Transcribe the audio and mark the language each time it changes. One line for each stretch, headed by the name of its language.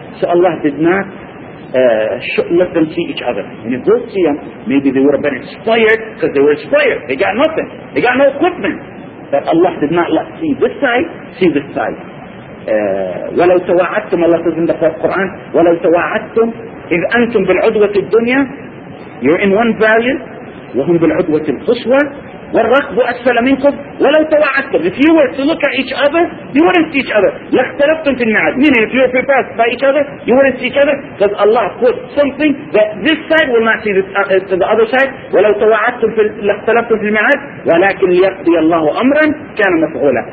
English: So Allah did not let them see each other. And if they see them, maybe they would have been inspired, because they were inspired. They got nothing. They got no equipment. But Allah did not let see this side, see this side.
Arabic: وَلَوْ تَوَعَدْتُمْ
English: Allah says in the Quran,
Arabic: وَلَوْ تَوَعَدْتُمْ إِذْ أَنْتُمْ بِالْعُدْوَةِ الدُّنْيَا.
English: You're in one valley,
Arabic: وَهُمْ بِالْعُدْوَةِ الْقُصْوَى وَالرَّقْبُ أَسْفَلَ مِنْكُمْ. وَلَوْ تَوَعَدْتُمْ,
English: if you were to look at each other, you wouldn't see each other.
Arabic: لَاخْتَلَفْتُمْ فِي الْمِيعَادِ,
English: meaning if you were prepared by each other, you wouldn't see each other, because Allah put something that this side will not see to the other side.
Arabic: وَلَوْ تَوَعَدْتُمْ لَاخْتَلَفْتُمْ فِي الْمِيعَادِ وَلَكِنْ لِيَقْضِيَ اللَّهُ أَمْرًا كَانَ مَفْعُولًا.